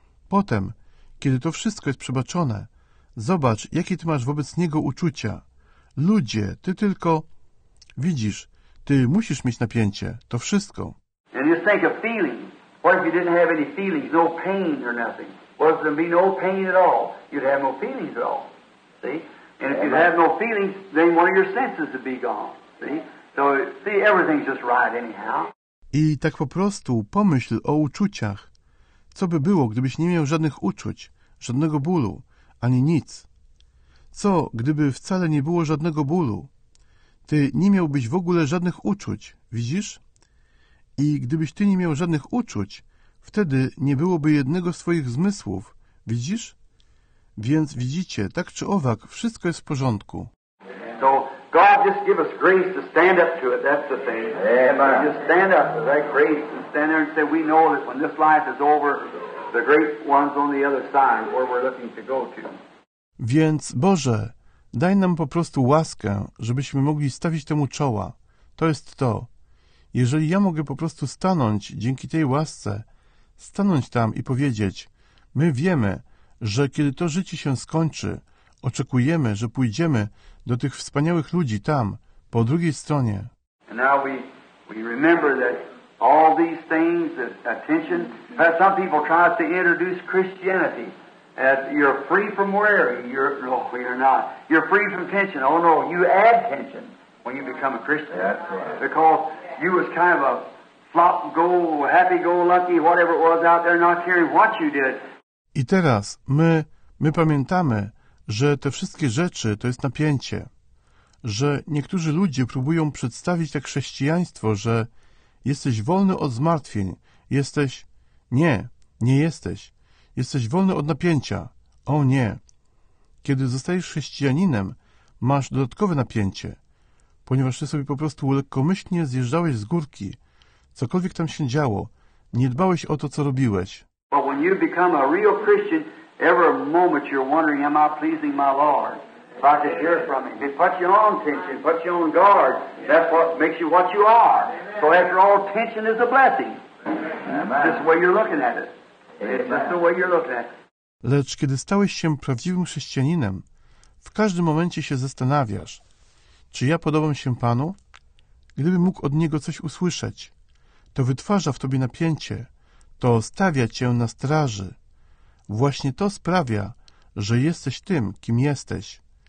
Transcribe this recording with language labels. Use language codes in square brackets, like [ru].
[pl] Potem, kiedy to wszystko jest przebaczone, zobacz, jakie ty masz wobec niego uczucia. Ludzie, ty tylko... Widzisz, ty musisz mieć napięcie, to wszystko. [en] And just think of feeling. What if you didn't have any feelings, no pain or nothing? What if there'd be no pain at all? You'd have no feelings at all, see? And if you have no feelings, then one of your senses would be gone. See? So, see, everything's just right anyhow. [pl] I tak po prostu pomyśl o uczuciach. Co by było, gdybyś nie miał żadnych uczuć, żadnego bólu, ani nic? Co, gdyby wcale nie było żadnego bólu? Ty nie miałbyś w ogóle żadnych uczuć, widzisz? I gdybyś ty nie miał żadnych uczuć, wtedy nie byłoby jednego z twoich zmysłów, widzisz? Więc widzicie, tak czy owak, wszystko jest w porządku. [en] So God just give us grace to stand up to it, that's the thing. Amen. Just stand up to that grace and stand there and say, we know that when this life is over, the great one's on the other side, where we're looking to go to. [pl] Więc, Boże, daj nam po prostu łaskę, żebyśmy mogli stawić temu czoła. To jest to. Jeżeli ja mogę po prostu stanąć dzięki tej łasce, stanąć tam i powiedzieć, my wiemy, że kiedy to życie się skończy, oczekujemy, że pójdziemy do tych wspaniałych ludzi tam, po drugiej stronie. [en] And now we remember that all these things, that attention, that some people try to introduce Christianity, that you're free from worry, you're not. You're free from tension. Oh no, you add tension when you become a Christian. That's right. Because you was kind of a flop-go, happy-go-lucky, whatever it was out there, not caring what you did. [pl] I teraz my pamiętamy, że te wszystkie rzeczy to jest napięcie, że niektórzy ludzie próbują przedstawić tak chrześcijaństwo, że jesteś wolny od zmartwień, jesteś... Nie, nie jesteś. Jesteś wolny od napięcia. O nie. Kiedy zostajesz chrześcijaninem, masz dodatkowe napięcie. ponieważ ty sobie po prostu lekkomyślnie zjeżdżałeś z górki. Cokolwiek tam się działo, nie dbałeś o to, co robiłeś. [en] But when you become a real Christian, every moment you're wondering, am I pleasing my Lord? If I could hear from him, it puts you on tension, puts you on guard. That's what makes you what you are. So after all, tension is a blessing. Amen. This is the way you're looking at it. That's the way you're looking at it. [pl] Lecz kiedy stałeś się prawdziwym chrześcijaninem, w każdym momencie się zastanawiasz, czy ja podobam się Panu? Gdybym mógł od Niego coś usłyszeć, to wytwarza w Tobie napięcie, to stawia Cię na straży. Właśnie to sprawia, że jesteś tym, kim jesteś.